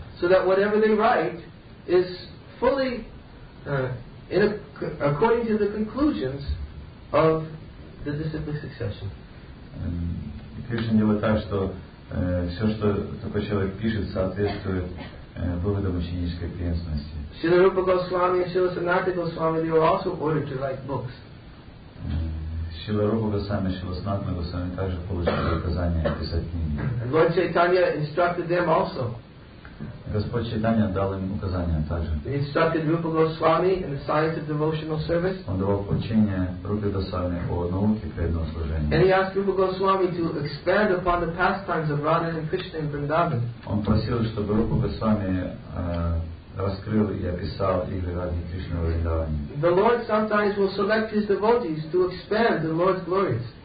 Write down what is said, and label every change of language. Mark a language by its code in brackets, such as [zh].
[en] So that whatever they write is fully according to the conclusions of the disciplic succession. [ru] Кришна делает так, что все, что такой человек пишет, соответствует выводам ученической преемственности. [en] Śrīla Rūpa Gosvāmī and Śrīla Sanātana Gosvāmī, they were also ordered to write books. [ru] Śrīla Rūpa Gosvāmī, Śrīla Sanātana Gosvāmī также получили указание писать книги. [en] And Lord Chaitanya instructed them also. [ru] Господь Чайтанья дал им указания также. [en] He instructed Rūpa Gosvāmī in the science of devotional service. [ru] Он давал учение Рупе Госвами о науке преданного служения. [en] And he asked Rūpa Gosvāmī to expand upon the pastimes of Radha and Krishna in Vrindavan. [ru] Он просил, чтобы Рупа Госвами раскрыл и описал игры Радхи Кришны в Вриндаване. [en] The Lord sometimes will select his devotees to expand the Lord's glories.